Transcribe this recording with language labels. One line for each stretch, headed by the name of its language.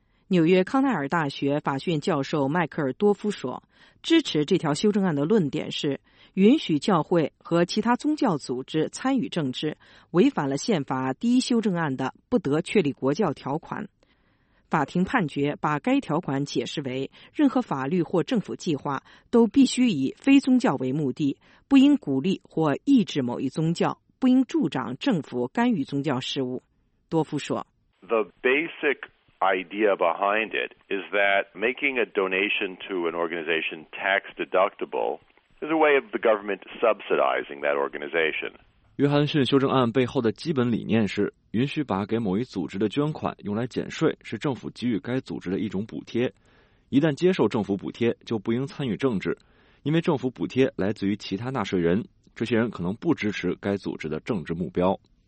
Chinese: 纽约康奈尔大学法学院教授迈克尔·多夫说，支持这条修正案的论点是，允许教会和其他宗教组织参与政治违反了宪法第一修正案的不得确立国教条款。法庭判决把该条款解释为，任何法律或政府计划都必须以非宗教为目的，不应鼓励或抑制某一宗教，不应助长政府干预宗教事务。多夫说，
English: The basic idea behind it is that making a donation to an organization tax deductible is a way of the government subsidizing that organization。
Chinese: 约翰逊修正案背后的基本理念是，允许把给某一组织的捐款用来减税，是政府给予该组织的一种补贴。一旦接受政府补贴，就不应参与政治，因为政府补贴来自于其他纳税人，这些人可能不支持该组织的政治目标。